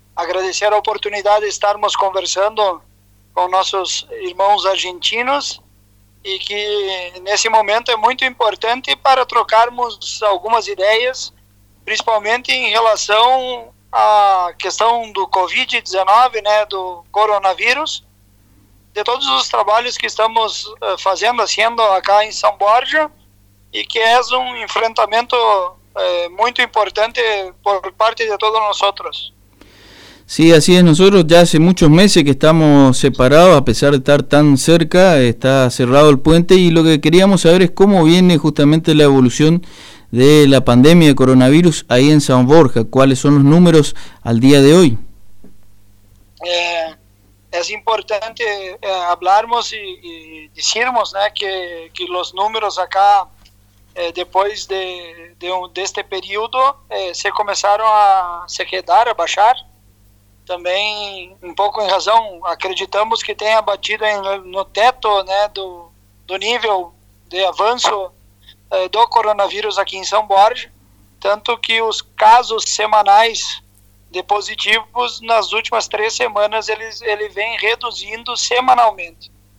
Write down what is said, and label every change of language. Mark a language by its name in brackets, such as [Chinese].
[Portuguese] agradecer a oportunidade de estarmos conversando com nossos irmãos argentinos, e que nesse momento é muito importante para trocarmos algumas ideias, principalmente em relação à questão do Covid-19, né, do coronavírus, de todos os trabalhos que estamos fazendo acá em São Borja, e que é um enfrentamento muito importante por parte de todos nós. [Spanish] Sí, así es. Nosotros ya hace muchos meses que estamos separados, a pesar de estar tan cerca, está cerrado el puente, y lo que queríamos saber es cómo viene justamente la evolución de la pandemia de coronavirus ahí en San Borja, cuáles son los números al día de hoy. Es importante hablarmos y decirmos, ¿no?, que los números acá, después de este periodo, se comenzaron a se quedar, a bajar. [Portuguese] Também um pouco em razão, acreditamos que tenha batido no teto, né, do nível de avanço do coronavírus aqui em São Borja, tanto que os casos semanais de positivos nas últimas 3 semanas ele vem reduzindo semanalmente.